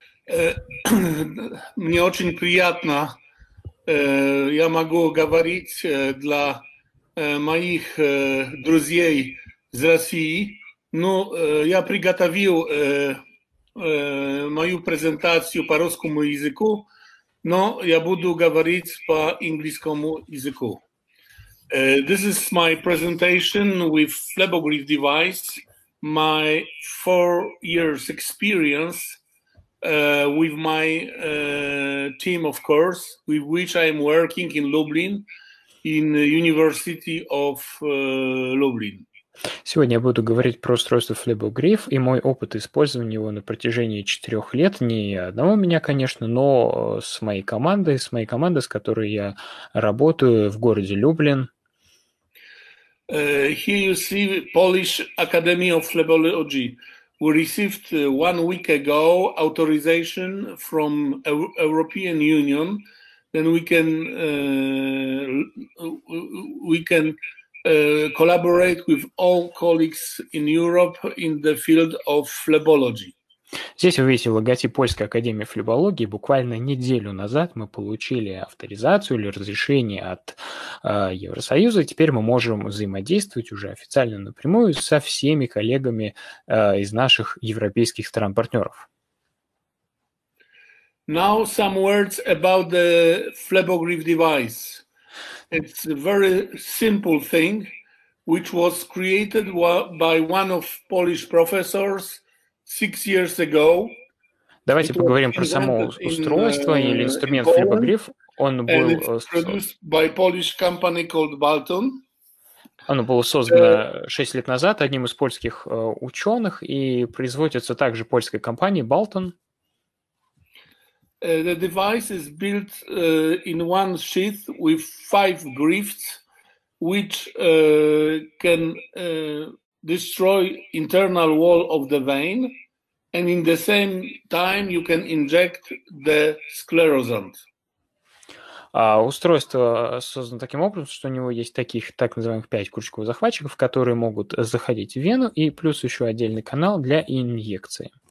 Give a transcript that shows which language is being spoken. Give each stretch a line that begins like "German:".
Russian: Мне очень приятно, я могу говорить для моих друзей из России. Ну, я приготовил мою презентацию по русскому языку, но я буду говорить по английскому языку.
English: This is my presentation with Flebogrif device, my 4 years experience with my team, of course, with which I am working in Lublin, in the University of Lublin.
Russian: Сегодня я буду говорить про устройство Flebogrif и мой опыт использования его на протяжении 4 лет. Не одного меня, конечно, но с моей командой, с которой я работаю в городе Люблин.
English: Here you see Polish Academy of Phlebology. We received 1 week ago authorization from European Union. Then we can collaborate with all colleagues in Europe in the field of phlebology.
Russian: Здесь вы видите логотип Польской академии флебологии. Буквально неделю назад мы получили авторизацию или разрешение от Евросоюза. Теперь мы можем взаимодействовать уже официально напрямую со всеми коллегами из наших европейских стран-партнеров.
English: Now some words about the Flebogrif device. It's a very simple thing, which was created by one of Polish professors 6 years ago.
Russian: Давайте поговорим про само устройство или инструмент Flebogrif. Он был
English: produced by Polish company called Balton.
Russian: Оно было создано 6 лет назад одним из польских ученых и производится также польской компанией Balton.
English: The device is built in one sheath with 5 grifts, which can destroy internal wall of the vein, and in the same time you can inject the sclerosant.
Russian: Устройство создано таким образом, что у него есть таких так называемых 5 крючков захватчиков, которые могут заходить в вену, и плюс еще отдельный канал для инъекции.